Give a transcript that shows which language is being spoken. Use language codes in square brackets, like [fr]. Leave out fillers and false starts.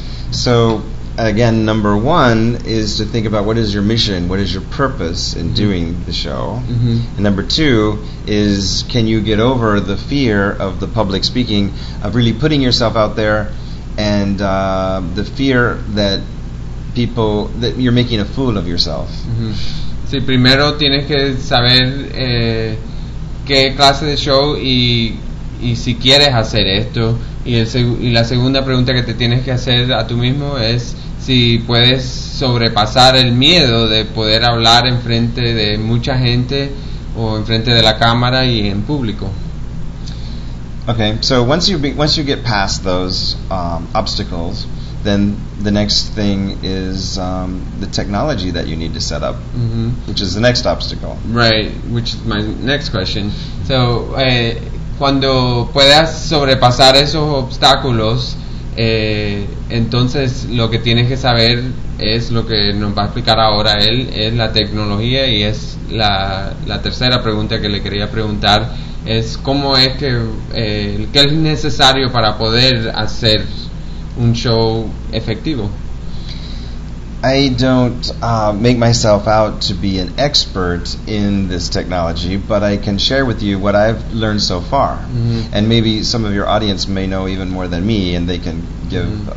[en] So again, number one is to think about what is your mission, what is your purpose in mm-hmm. doing the show. Mm-hmm. And number two is, can you get over the fear of the public speaking, of really putting yourself out there, and the fear that people, that you're making a fool of yourself. Mm-hmm. [es] Sí, primero tienes que saber qué clase de show y si quieres hacer esto. Y la segunda pregunta que te tienes que hacer a tú mismo es si puedes sobrepasar el miedo de poder hablar en frente de mucha gente o en frente de la cámara y en público. [en] Okay, so once you get past those obstacles, then the next thing is the technology that you need to set up, mm-hmm. which is the next obstacle. Right, which is my next question. [es] So, cuando puedas sobrepasar esos obstáculos, entonces lo que tienes que saber es lo que nos va a explicar ahora él, es la tecnología, y es la tercera pregunta que le quería preguntar. Es cómo es que es necesario para poder hacer un show efectivo. [en] I don't make myself out to be an expert in this technology, but I can share with you what I've learned so far. Mm-hmm. And maybe some of your audience may know even more than me, and they can give mm-hmm.